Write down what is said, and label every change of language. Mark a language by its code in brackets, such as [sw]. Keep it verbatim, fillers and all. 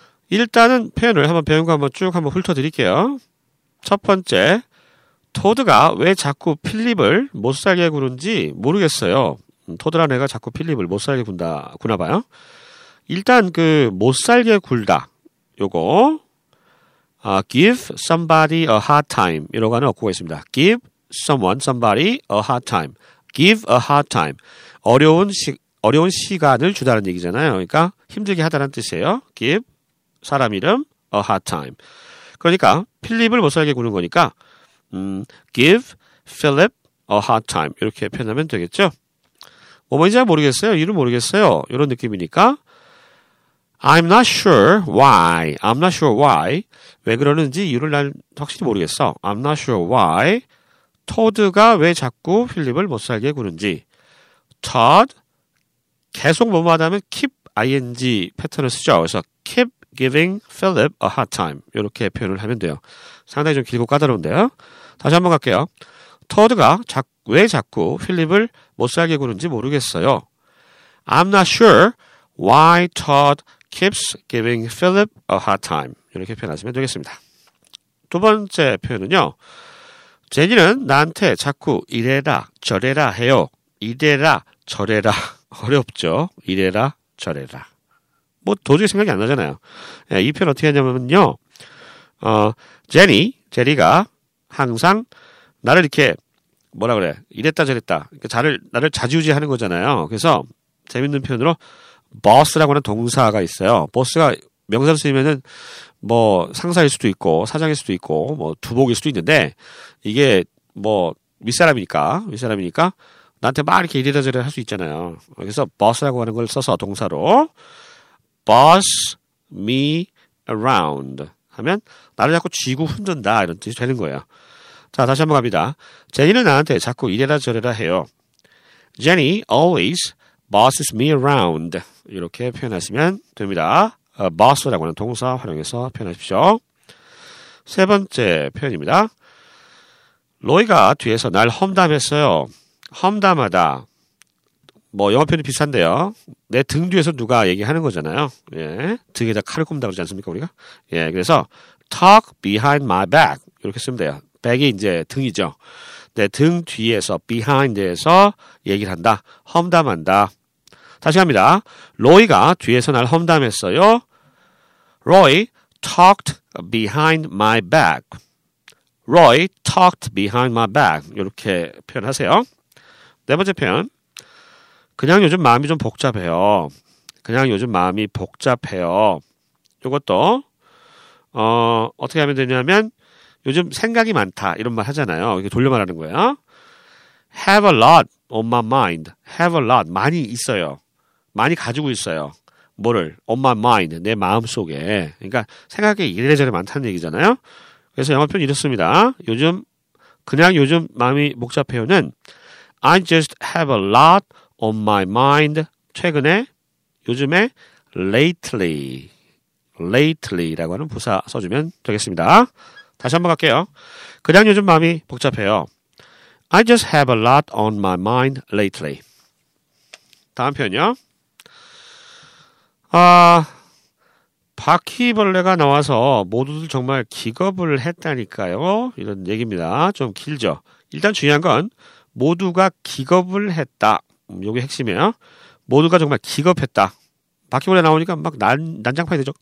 [ko] 일단은 표현을 한번 배운 거 한번 쭉 한번 훑어드릴게요. 첫 번째, 토드가 왜 자꾸 필립을 못 살게 구는지 모르겠어요. 토드라는 애가 자꾸 필립을 못 살게 군다, 구나 봐요. 일단 그 못 살게 굴다, 요거 아, [en] give somebody a hard time [ko] 이런 거는 어구가 있습니다. [en] give someone, somebody a hard time, give a hard time. [ko] 어려운 시 어려운 시간을 주다는 얘기잖아요. 그러니까 힘들게 하다는 뜻이에요. [en] give [ko] 사람 이름 [en] a hard time. [ko] 그러니까 필립을 못 살게 구는 거니까 음, [en] give Philip a hard time [ko] 이렇게 표현하면 되겠죠. 뭐 뭔지 잘 모르겠어요. 이유는 모르겠어요. 이런 느낌이니까. [en] I'm not sure why. I'm not sure why. [ko] 왜 그러는지 이유를 난 확실히 모르겠어. [en] I'm not sure why. [ko] 토드가 왜 자꾸 필립을 못 살게 구는지. Todd 계속 뭐뭐 하다면 keep ing 패턴을 쓰죠. 그래서 [en] keep giving Philip a hard time. [ko] 이렇게 표현을 하면 돼요. 상당히 좀 길고 까다로운데요. 다시 한번 갈게요. Todd가 자, 왜 자꾸 필립을 못 살게 구는지 모르겠어요. [en] I'm not sure why Todd keeps giving Philip a hard time. [ko] 이렇게 표현하시면 되겠습니다. 두 번째 표현은요. 제니는 나한테 자꾸 이래라 저래라 해요. 이래라 저래라. 어렵죠? 이래라 저래라. 뭐 도저히 생각이 안 나잖아요. 예, 이 표현 어떻게 하냐면요. 어, 제니, 제리가 항상 나를 이렇게 뭐라 그래. 이랬다 저랬다. 그러니까 나를, 나를 좌지우지하는 거잖아요. 그래서 재밌는 표현으로 boss라고 하는 동사가 있어요. boss가 명사로 쓰이면은 뭐 상사일 수도 있고 사장일 수도 있고 뭐 두목일 수도 있는데 이게 뭐 윗사람이니까 윗사람이니까 나한테 막 이렇게 이래라 저래라 할 수 있잖아요. 그래서 boss라고 하는 걸 써서 동사로 [en] boss me around [ko] 하면 나를 자꾸 쥐고 흔든다 이런 뜻이 되는 거예요. 자, 다시 한번 갑니다. 제니는 나한테 자꾸 이래라 저래라 해요. [en] Jenny always bosses me around. [ko] 이렇게 표현하시면 됩니다. 어, boss라고 하는 동사 활용해서 표현하십시오. 세 번째 표현입니다. 로이가 뒤에서 날 험담했어요. 험담하다. 뭐 영어 표현이 비슷한데요. 내 등 뒤에서 누가 얘기하는 거잖아요. 예, 등에다 칼을 꼽는다 그러지 않습니까 우리가? 예, 그래서 [en] talk behind my back [ko] 이렇게 쓰면 돼요. back이 이제 등이죠. 내 등 뒤에서 behind에서 얘기를 한다. 험담한다. 다시 합니다. 로이가 뒤에서 날 험담했어요. [en] Roy talked behind my back. Roy talked behind my back. [ko] 이렇게 표현하세요. 네 번째 표현. 그냥 요즘 마음이 좀 복잡해요. 그냥 요즘 마음이 복잡해요. 이것도 어, 어떻게 하면 되냐면 요즘 생각이 많다 이런 말 하잖아요. 이렇게 돌려 말하는 거예요. [en] Have a lot on my mind. Have a lot. [ko] 많이 있어요. 많이 가지고 있어요. 뭐를? [en] On my mind. [ko] 내 마음속에. 그러니까 생각이 이래저래 많다는 얘기잖아요. 그래서 영어 표현 이렇습니다. 요즘 그냥 요즘 마음이 복잡해요는 [en] I just have a lot on my mind. [ko] 최근에 요즘에 lately. lately라고 하는 부사 써주면 되겠습니다. 다시 한번 갈게요. 그냥 요즘 마음이 복잡해요. [en] I just have a lot on my mind lately. [ko] 다음 표현요. 아, 바퀴벌레가 나와서 모두들 정말 기겁을 했다니까요. 이런 얘기입니다. 좀 길죠. 일단 중요한 건 모두가 기겁을 했다. 이게 핵심이에요. 모두가 정말 기겁했다. 바퀴벌레 나오니까 막 난, 난장판이 되죠.